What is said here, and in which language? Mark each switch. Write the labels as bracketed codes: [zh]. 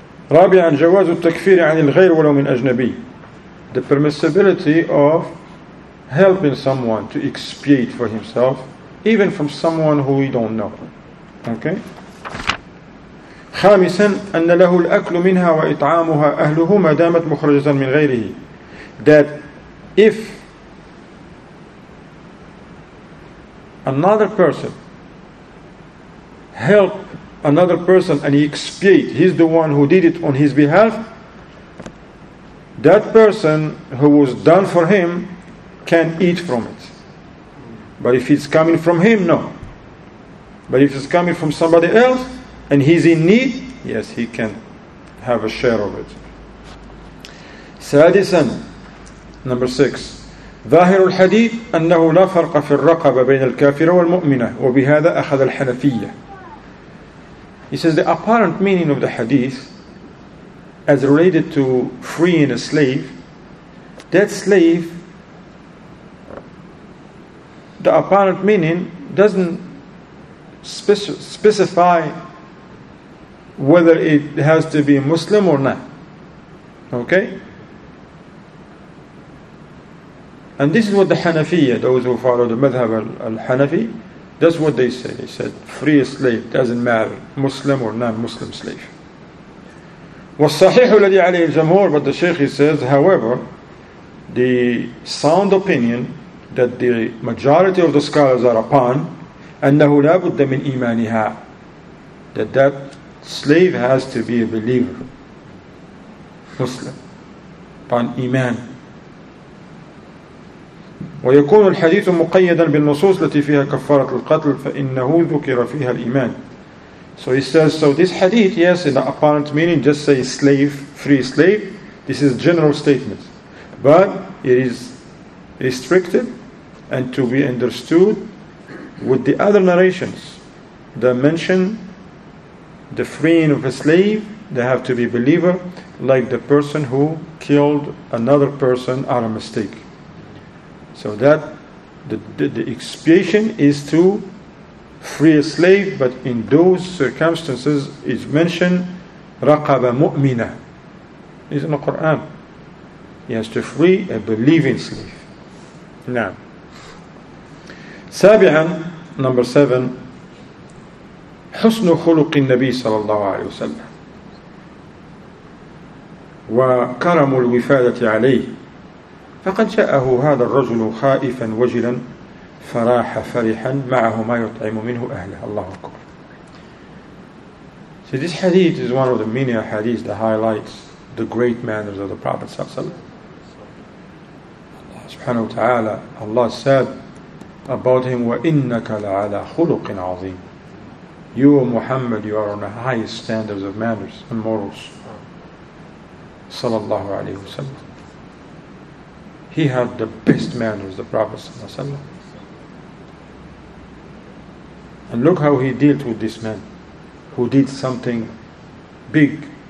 [ar] رابعا جواز التكفير عن الغير ولو من أجنبي. [en] The permissibility of helping someone to expiate for himself, even from someone who we don't know. Okay. [ar] خامسا أن له الأكل منها وإطعامها أهله ما دامت مخرجة من غيره. [en] That if another person help another person and he expiate, he's the one who did it on his behalf, that person who was done for him can eat from it. But if it's coming from him, no. But if it's coming from somebody else and he's in need, yes, he can have a share of it. [ar] سادسا, [en] number six, [ar] ظاهر الحديث أنه لا فرق في الرقبة بين الكافر والمؤمنة وبهذا أخذ الحنفية. [en] He says the apparent meaning of the hadith as related to freeing a slave, that slave, the apparent meaning doesn't specify whether it has to be Muslim or not. Okay? And this is what the Hanafiya, those who follow the Madhab al-Hanafi, that's what they say. They said, free a slave, doesn't matter, Muslim or non-Muslim slave. [ar] وَالصَّحِيحُ الَّذِي عَلَيْهِ الْجَمْهُورِ. [en] But the Shaykh, he says, however, the sound opinion that the majority of the scholars are upon, [ar] أَنَّهُ لَا بُدَّ مِنْ إِيمَانِهَا, [en] that slave has to be a believer, Muslim, upon iman. [ar] ويكون الحديث مقيدا بالنصوص التي فيها كفارة القتل فإنه ذكر فيها الإيمان. [en] So he says, so this hadith, yes, in the apparent meaning, just say slave, free slave. This is a general statement. But it is restricted and to be understood with the other narrations that mention the freeing of a slave, they have to be believer, like the person who killed another person out of mistake. So that the expiation is to free a slave, but in those circumstances is mentioned [ar] رقب مؤمنة. [en] It's in the Quran. He has to free a believing slave. [ar] نعم. سابعا, number seven, حسن خلق النبي صلى الله عليه وسلم وكرم الوفادة عليه. فقد جاءه هذا الرجل خائفا وجلا فراح فرحا معه ما يطعم منه أهله. الله أكبر. [en] So this hadith is one of the many hadiths that highlights the great manners of the Prophet [ar] صلى الله عليه وسلم. Allah سبحانه وتعالى, [en] Allah said about him, [ar] وَإِنَّكَ لَعَلَى خُلُقٍ عَظِيمٍ. [en] You, Muhammad, you are on the highest standards of manners and morals. [ar] صلى الله عليه وسلم. [en] He had the best manners, the Prophet ﷺ. And look how he dealt with this man who did something big.